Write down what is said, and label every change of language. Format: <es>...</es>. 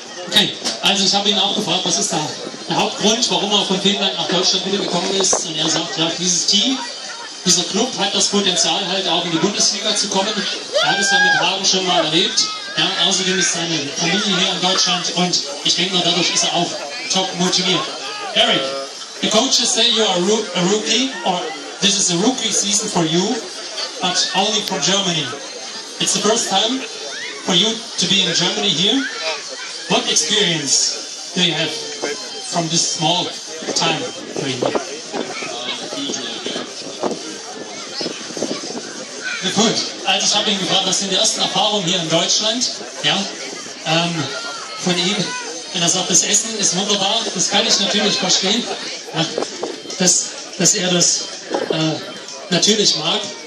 <de>Okay, also ich habe ihn auch gefragt, was ist der Hauptgrund, warum er von Finnland nach Deutschland wiedergekommen ist. Und er sagt, ja, dieses Team, dieser Club hat das Potenzial, halt auch in die Bundesliga zu kommen. Er hat es ja mit Hagen schon mal erlebt. Ja, außerdem ist seine Familie hier in Deutschland und ich denke mal, dadurch ist er auch top motiviert.</de> <en>Eric, the coaches say you are a rookie, or this is a rookie season for you, but only from Germany. It's the first time for you to be in Germany here. What experience do you have from this small time for you?</en> <de>Gut, also ich habe ihn gefragt, was sind die ersten Erfahrungen hier in Deutschland, ja, von ihm. Und er sagt, das Essen ist wunderbar, das kann ich natürlich verstehen, ja, dass er das natürlich mag.</de>